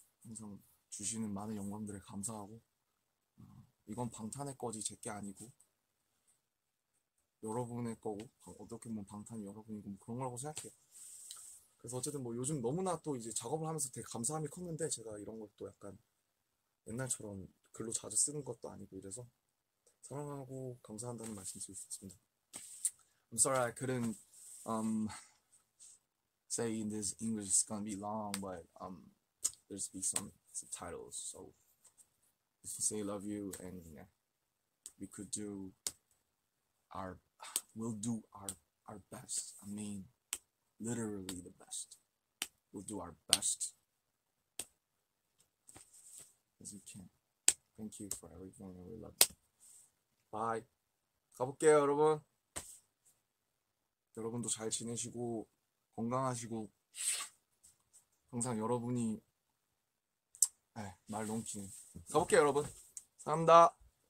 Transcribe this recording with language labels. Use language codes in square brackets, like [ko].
[ko] 항상 주시는 많은 영광들에 감사하고, 이건 방탄의 거지 제게 아니고 여러분의 거고, 어떻게 보면 방탄이 여러분이고 그런 거라고 생각해요. 그래서 어쨌든 뭐 요즘 너무나 또 이제 작업을 하면서 되게 감사함이 컸는데, 제가 이런 것도 약간 옛날처럼 글로 자주 쓰는 것도 아니고 이래서 사랑하고 감사한다는 말씀 드릴 수 있습니다. [en] I'm sorry I couldn't say in this English is gonna be long, but there's be some subtitles, so just to say love you and we could do our we'll do our best. I mean literally the best. We'll do our best. As you can. Thank you for everything and we love you. Bye. [ko] 가볼게요, 여러분. 여러분도 잘 지내시고 건강하시고 항상 여러분이 말 너무 기네. 가볼게요, 여러분. 감사합니다.